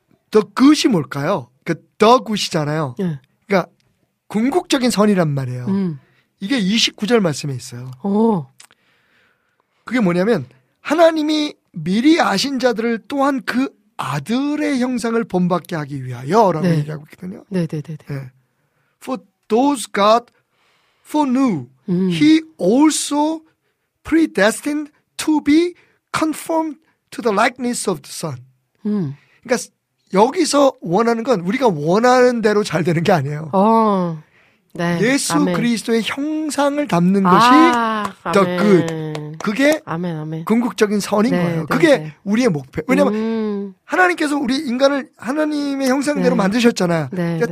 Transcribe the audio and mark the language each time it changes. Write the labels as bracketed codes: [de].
[ko] The good이 뭘까요? 그 the good이잖아요. 네. 그러니까 궁극적인 선이란 말이에요. 이게 29절 말씀에 있어요. 그게 뭐냐면 하나님이 미리 아신 자들을 또한 그 아들의 형상을 본받게 하기 위하여라고 네. 얘기하고 있거든요. 네, 네, 네, 네. [en] For those God foreknew, He also predestined to be conformed to the likeness of the Son. [ko] 그러니까 여기서 원하는 건 우리가 원하는 대로 잘 되는 게 아니에요. 네, 예수 아멘. 그리스도의 형상을 담는 것이 더 굿. 그게 아멘, 아멘. 궁극적인 선인 네, 거예요. 네, 그게 네. 우리의 목표. 왜냐면 하나님께서 우리 인간을 하나님의 형상대로 네. 만드셨잖아요. 네, 근데 네.